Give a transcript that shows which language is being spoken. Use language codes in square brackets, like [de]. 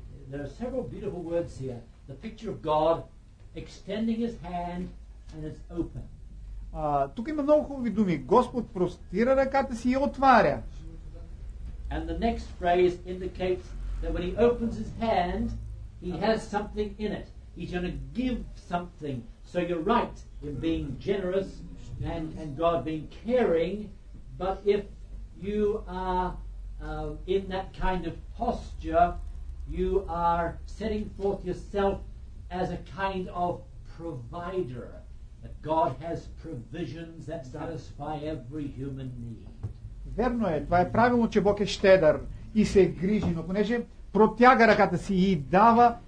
[en] There are several beautiful words here. The picture of God extending his hand and it's open. [bg] Тук има много хубави думи. Господ простира ръката си и отваря. [en] And the next phrase indicates that when he opens his hand, he has something in it. He's going to give something. So you're right in being generous and God being caring, but if you are in that kind of posture, you are setting forth yourself as a kind of provider, that God has provisions that satisfy every human need. [bg] Верно е, това е правилно, че Бог е щедър и се грижи, но понеже протяга ръката си и дава.